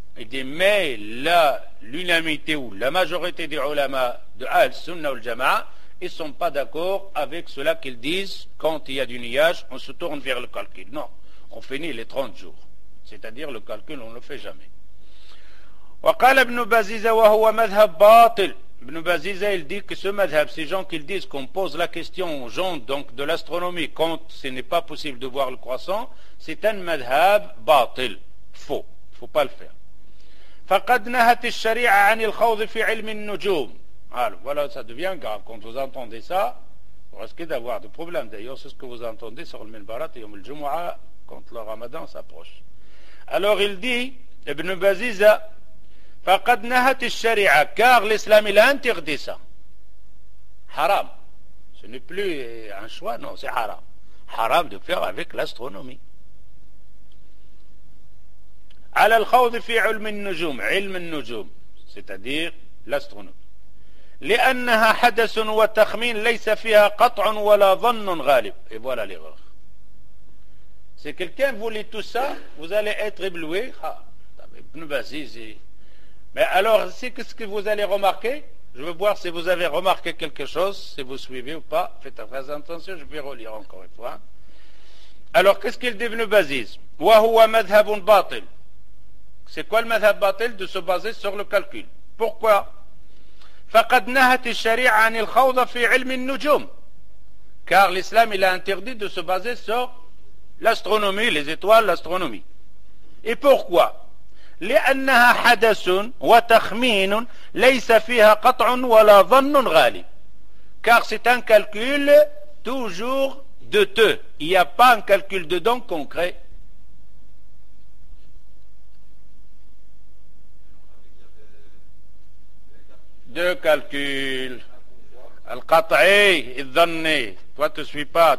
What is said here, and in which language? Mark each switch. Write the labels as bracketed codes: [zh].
[fr] Il dit, mais là, l'unanimité ou la majorité des ulama de Al-Sunnah ou Al-Jama'a, ils ne sont pas d'accord avec cela qu'ils disent, quand il y a du nuage, on se tourne vers le calcul. Non, on finit les 30 jours. C'est-à-dire, le calcul, on ne le fait jamais. [ar] وقال ابن بازيزة وهو مذهب باطل. [fr] Ibn Baziza, il dit que ce madhab, ces gens qui disent qu'on pose la question aux gens donc, de l'astronomie, quand ce n'est pas possible de voir le croissant, c'est un madhab batil, faux. Il ne faut pas le faire. [ar] فقد نهت الشريعة عن الخوض في علم النجوم. [fr] Alors, voilà, ça devient grave quand vous entendez ça. Vous risquez d'avoir des problèmes. D'ailleurs, c'est ce que vous entendez sur le minbarat et le jumu'a quand le ramadan s'approche. Alors, il dit, Ibn Baziza, [ar] فقد نهت الشريعة, [fr] car l'islam il a interdit ça. Haram. Ce n'est plus un choix, non, c'est haram. Haram de faire avec l'astronomie. [ar] على الخوض في علم النجوم, علم النجوم, [fr] c'est-à-dire l'astronomie. [ar] لأنها حدث وتخمين ليس فيها قطع ولا ظن غالب. [fr] Et voilà l'erreur. Si quelqu'un voulait tout ça, vous allez être ébloué. Ibn Baziz. Mais alors, qu'est-ce que vous allez remarquer? Je veux voir si vous avez remarqué quelque chose, si vous suivez ou pas. Faites très attention, je vais relire encore une fois. Alors, qu'est-ce qu'il dit Ibn Baziz? [ar] وهو مذهب باطل. [fr] C'est quoi le madhab batil? De se baser sur le calcul. Pourquoi? [ar] فقد نهت الشريعة عن الخوض في علم النجوم. [fr] Car l'islam il a interdit de se baser sur l'astronomie, les étoiles, l'astronomie. Et pourquoi? [ar] لأنها حدث وتخمين ليس فيها قطع ولا ظن غالب. [fr] Car c'est un calcul toujours douteux. Il n'y a pas un calcul dedans concret. De calcul. Al-Qat'i, il donne. Toi, tu ne suis pas.